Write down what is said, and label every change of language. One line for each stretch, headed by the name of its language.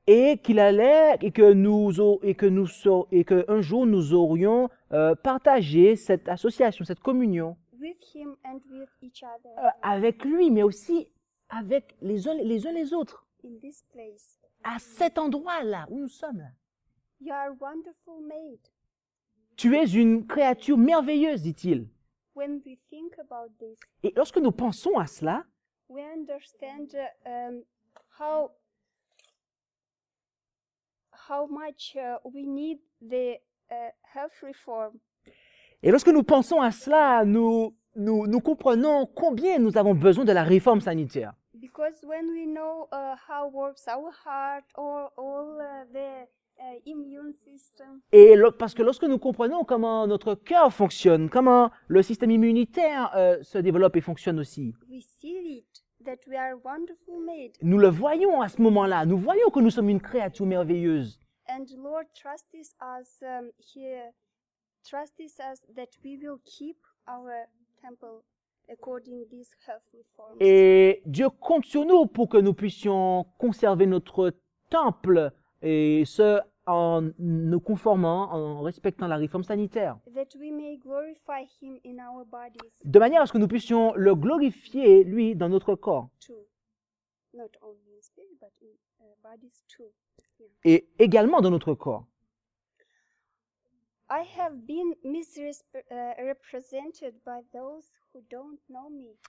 French: Et qu'il allait et que un jour nous aurions partagé cette association, cette communion
English: with him and with each other.
French: Avec lui, mais aussi avec les uns les autres.
English: In this place.
French: À cet endroit-là où nous sommes.
English: You are wonderful made.
French: Tu es une créature merveilleuse, dit-il.
English: When we think about this,
French: et lorsque nous pensons à cela,
English: we understand how much we need the health reform.
French: Et lorsque nous pensons à cela, nous comprenons combien nous avons besoin de la réforme sanitaire.
English: Because when we know how works our heart or all the immune system.
French: Et parce que lorsque nous comprenons comment notre cœur fonctionne, comment le système immunitaire se développe et fonctionne aussi.
English: We see it. That we are wonderful made.
French: Nous le voyons à ce moment-là. Nous voyons que nous sommes une créature merveilleuse.
English: And Lord trusts us here. Trusts us that we will keep our temple according to these health reforms.
French: Et Dieu compte sur nous pour que nous puissions conserver notre temple et ce en nous conformant, en respectant la réforme sanitaire.
English: That we may glorify him in our bodies.
French: De manière à ce que nous puissions le glorifier, lui, dans notre corps.
English: Not only in spirit, but in bodies too. Yeah.
French: Et également dans notre corps.
English: I have been misrepresented by those who don't know me.